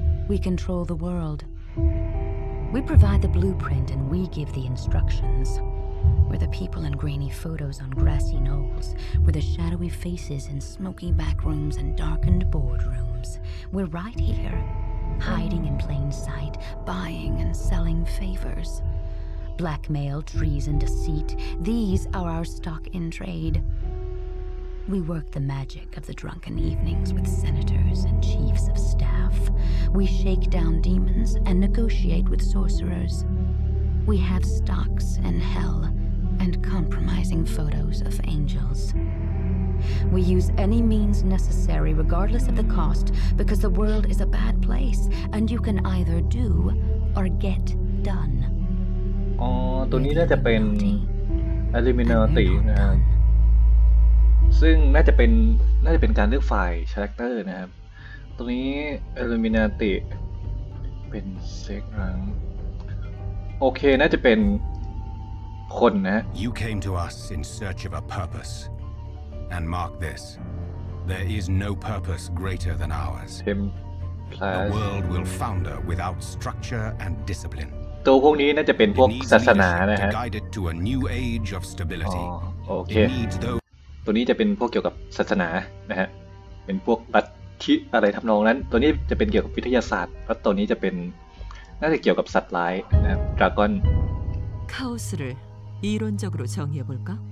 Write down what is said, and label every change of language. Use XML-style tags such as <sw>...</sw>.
<en>we control the world we provide the blueprint and we give the instructions we're the people in grainy photos on grassy knolls we're the shadowy faces in smoky backrooms and darkened boardroomsWe're right here, hiding in plain sight, buying and selling favors. Blackmail, treason, deceit, these are our stock in trade. We work the magic of the drunken evenings with senators and chiefs of staff. We shake down demons and negotiate with sorcerers. We have stocks in hell and compromising photos of angels. We use any means necessary, regardless of the cost, because the world is a bad place, and you can either do or get done.</en> <th>อ๋อตัวนี้น่าจะเป็น Illuminati นะครับซึ่งน่าจะเป็นการเลือกฝ่ายคาแรคเตอร์นะครับตัวนี้ Illuminati เป็นเซกรังโอเคน่าจะเป็นคนนะ</th> <en>You came to us in search of a purposeAnd mark this: there is no purpose greater than ours. The world will founder without structure and discipline.</en> <th>ตัวพวกนี้น่าจะเป็นพวกศาสนานะฮะ</th> <en>Guide it to a new age of stability.</en> <th>โอเคตัวนี้จะเป็นพวกเกี่ยวกับศาสนานะฮะเป็นพวกลัทธิอะไรทำนองนั้นตัวนี้จะเป็นเกี่ยวกับวิทยาศาสตร์และตัวนี้จะเป็นน่าจะเกี่ยวกับสัตว์ร้ายนะครับดราก้อน</th> <ko>Chaos를 이론적으로정해볼까</ko>